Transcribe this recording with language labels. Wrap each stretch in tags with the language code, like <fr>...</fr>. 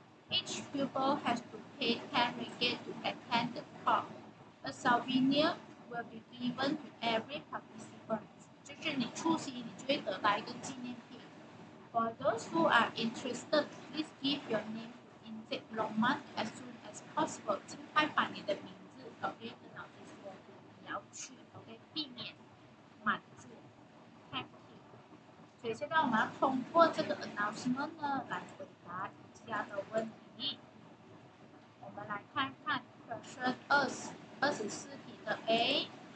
<en>Each pupil has to pay 10 ringgit to attend the talk. A souvenir will be given to every participant.</en> <zh>就是你出席，你就会得到一个纪念品。</zh> <en>For those who are interested, please give your name to Inzik Longman as soon as possible.</en> <zh>尽快把你的名字 OK 跟老师说，你要去 OK 避免满座。</zh> <en>Thank you.</en> <zh>所以现在我们要通过这个 announcement 呢来回答以下的问题。我们来看看 question 24题的 A。</zh>